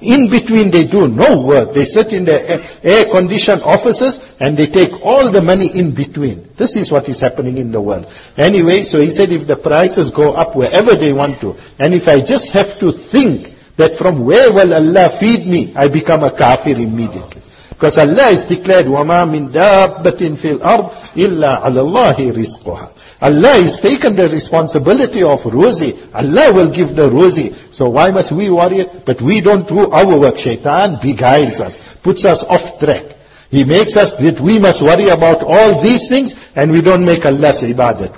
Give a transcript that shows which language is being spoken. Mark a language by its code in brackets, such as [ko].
[en] In between they do no work. They sit in their air-conditioned offices and they take all the money in between. This is what is happening in the world. Anyway, so he said if the prices go up wherever they want to, and if I just have to think, that from where will Allah feed me, I become a kafir immediately. Because Allah has declared, [ar] وَمَا مِن دَابَّةٍ فِي الْأَرْضِ إِلَّا عَلَى اللَّهِ رِزْقُهَا. [en] Allah has taken the responsibility of ruzi. Allah will give the ruzi. So why must we worry? But we don't do our work. Shaitan beguiles us, puts us off track. He makes us that we must worry about all these things, and we don't make Allah's ibadat.